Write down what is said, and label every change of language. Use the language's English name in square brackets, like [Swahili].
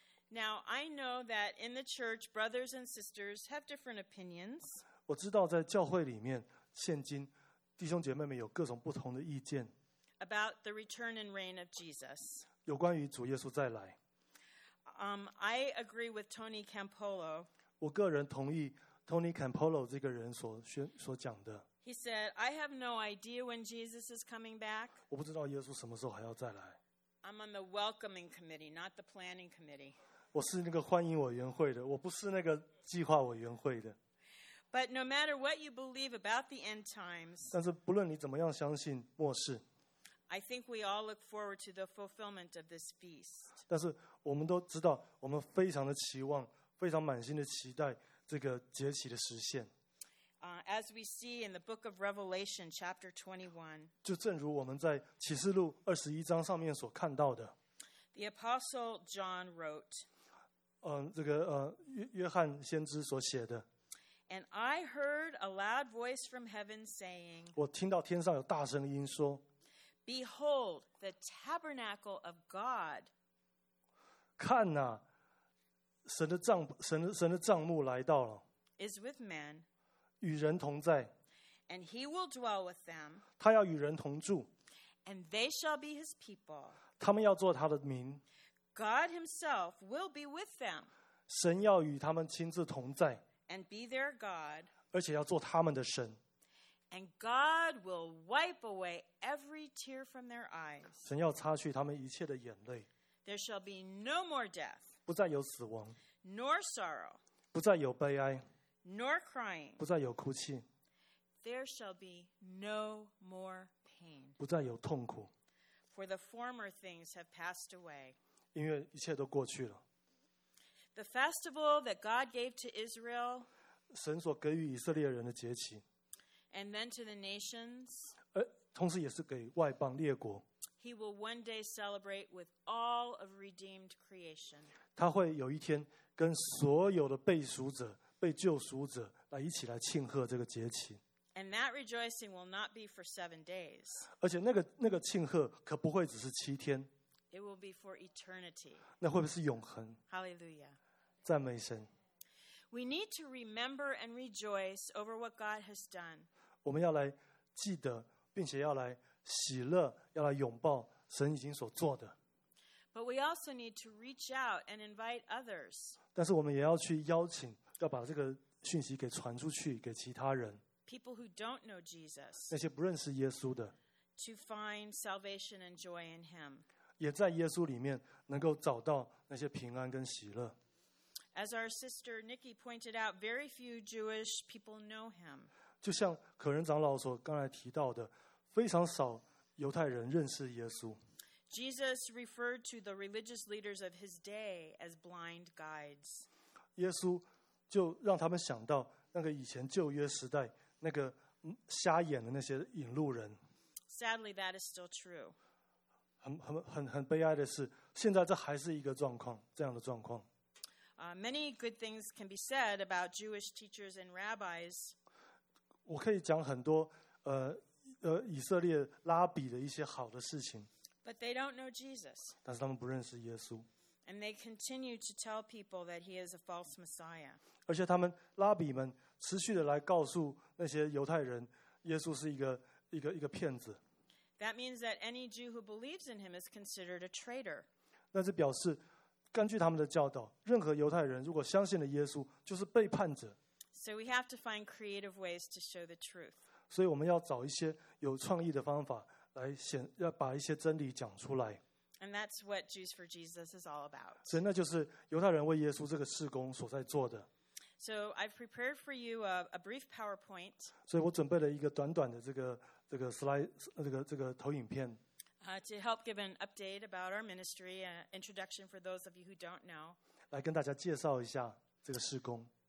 [English] Now I know that in the church, brothers and sisters have different opinions. [Chinese] 我知道在教会里面，现今弟兄姐妹们有各种不同的意见。 [English] About the return and reign of Jesus. [Chinese] 有关于主耶稣再来。 [English] I agree with Tony Campolo. [Chinese] 我个人同意 Tony Campolo 这个人所讲的。 [English] He said, "I have no idea when Jesus is coming back." [Chinese] 我不知道耶稣什么时候还要再来。 [English] I'm on the welcoming committee, not the planning committee. [Chinese] 我是那个欢迎委员会的，我不是那个计划委员会的。 [English] But no matter what you believe about the end times, [Chinese] 但是不论你怎么样相信末世， [English] I think we all look forward to the fulfillment of this feast. [Chinese] 但是我们都知道，我们非常的期望，非常满心的期待这个节期的实现。 [English] As we see in the book of Revelation, chapter 21, [Chinese] 就正如我们在启示录二十一章上面所看到的 [English] ，The Apostle John wrote, [Chinese] 这个约翰先知所写的 [English] ，And I heard a loud voice from heaven saying, [Chinese] 我听到天上有大声音说 [English] ，Behold, the tabernacle of God, [Chinese] 看哪、啊，神的帐幕来到了 [English] ，is with man. [Chinese] 与人同在 [English] and he will dwell with them, [Chinese] 他要与人同住 [English] and they shall be his people, [Chinese] 他们要做他的民 [English] God himself will be with them, [Chinese] 神要与他们亲自同在 [English] and be their God, [Chinese] 而且要做他们的神 [English] and God will wipe away every tear from their eyes, [Chinese] 神要擦去他们一切的眼泪 [English] there shall be no more death, [Chinese] 不再有死亡 [English] nor sorrow, [Chinese] 不再有悲哀 [English] Nor crying, [Chinese] 不再有哭泣。 [English] There shall be no more pain, [Chinese] 不再有痛苦。 [English] For the former things have passed away, [Chinese] 因为一切都过去了。 [English] The festival that God gave to Israel, [Chinese] 神所给予以色列人的节期。 [English] And then to the nations, [Chinese] 同时也是给外邦列国。 [English] He will one day celebrate with all of redeemed creation. [Chinese] 他会有一天跟所有的被赎者。被救赎者来一起来庆贺这个节期 [English] ，and that rejoicing will not be for 7 days。 [Chinese] 而且那个庆贺可不会只是七天 [English] ，it will be for eternity。 [Chinese] 那会不会是永恒 [English] ？Hallelujah！ [Chinese] 赞美神。 [English] We need to remember and rejoice over what God has done。 [Chinese] 我们要来记得，并且要来喜乐，要来拥抱神已经所做的。 [English] But we also need to reach out and invite others。 [Chinese] 但是我们也要去邀请。要把这个讯息给传出去给其他人 [English] People who don't know Jesus, [Chinese] 那些不认识耶稣的 [English] to find salvation and joy in him. [Chinese] 也在耶稣里面能够找到那些平安跟喜乐 [English] As our sister Nikki pointed out, very few Jewish people know him. [Chinese] 就像可人长老所刚才提到的非常少犹太人认识耶稣 [English] Jesus referred to the religious leaders of his day as blind guides. [Chinese] 耶稣就让他们想到那个以前旧约时代那个瞎眼的那些引路人。 [English] Sadly, that is still true. [Chinese] 很悲哀的是，现在这还是一个状况，这样的状况。 [English] Many good things can be said about Jewish teachers and rabbis. [Chinese] 我可以讲很多以色列拉比的一些好的事情。 [English] But they don't know Jesus. [Chinese] 但是他们不认识耶稣。 [English] And they continue to tell people that he is a false Messiah. [Chinese] 而且他们拉比们持续的来告诉那些犹太人，耶稣是一个骗子。 [English] That means that any Jew who believes in him is considered a traitor. [Chinese] 那是表示，根据他们的教导，任何犹太人如果相信了耶稣，就是背叛者。 [English] So we have to find creative ways to show the truth. [Chinese] 所以我们要找一些有创意的方法来显，要把一些真理讲出来。 [English] And that's what Jews for Jesus is all about. [Chinese] 所以那就是犹太人为耶稣这个事工所在做的。 [English] So I've prepared for you a brief PowerPoint. [Chinese] 所以我准备了一个短短的这个 slide 这个投影片。 [English] To help give an update about our ministry, an introduction for those of you who don't know. [Chinese] 来跟大家介绍一下这个事工。